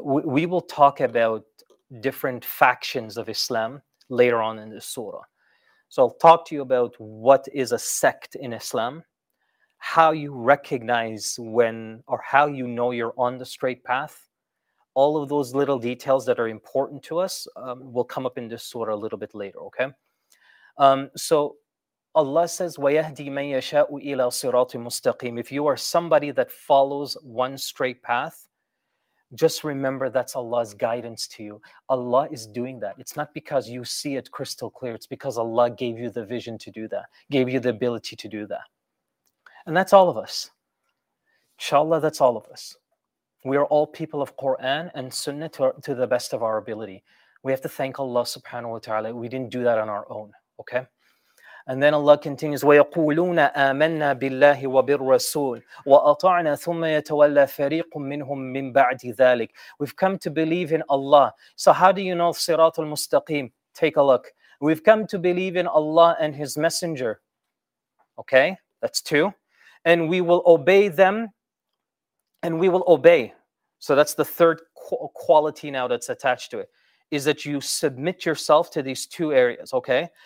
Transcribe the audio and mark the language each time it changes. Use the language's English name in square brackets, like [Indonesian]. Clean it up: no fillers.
[English] We will talk about different factions of Islam later on in the surah. So I'll talk to you about what is a sect in Islam, how you recognize when or how you know you're on the straight path. All of those little details that are important to us will come up in this surah a little bit later, okay? So Allah says, [Arabic] وَيَهْدِي مَنْ يَشَاءُ إِلَى صِرَاطٍ مُسْتَقِيمٍ. [English] If you are somebody that follows one straight path, just remember that's Allah's guidance to you. Allah is doing that. It's not because you see it crystal clear. It's because Allah gave you the vision to do that, gave you the ability to do that. And that's all of us. Inshallah, that's all of us. We are all people of Quran and Sunnah to the best of our ability. We have to thank Allah subhanahu wa ta'ala. We didn't do that on our own, okay? And then Allah continues, [Arabic] وَيَقُولُونَ آمَنَّا بِاللَّهِ وَبِالرَّسُولِ وَأَطَعْنَا ثُمَّ يَتَوَلَّى فَرِيقٌ مِّنْهُم مِّن بَعْدِ ذَلِكَ. [English] We've come to believe in Allah. So how do you know Sirat al-Mustaqim? Take a look. We've come to believe in Allah and His Messenger. Okay, that's two. And we will obey them. And we will obey. So that's the third quality now that's attached to it, is that you submit yourself to these two areas, okay?